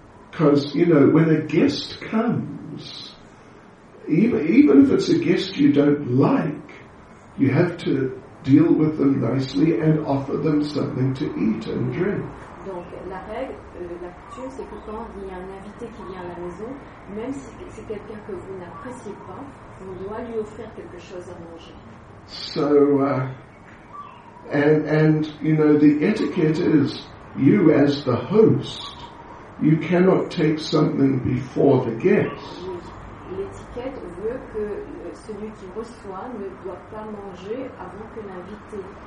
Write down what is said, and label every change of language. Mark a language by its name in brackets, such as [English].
[English] Because, you know, when a guest comes, even if it's a guest you don't like, you have to deal with them nicely and offer them something to eat and drink. [French] Donc, la règle, la coutume, c'est que quand il y a un invité qui vient à la maison, même si c'est quelqu'un que vous n'appréciez pas, on doit lui offrir quelque chose à manger. [English] So, And you know, the etiquette is, you as the host, you cannot take something before the guest. [French] L'étiquette veut que celui qui reçoit ne doit pas manger avant que l'invité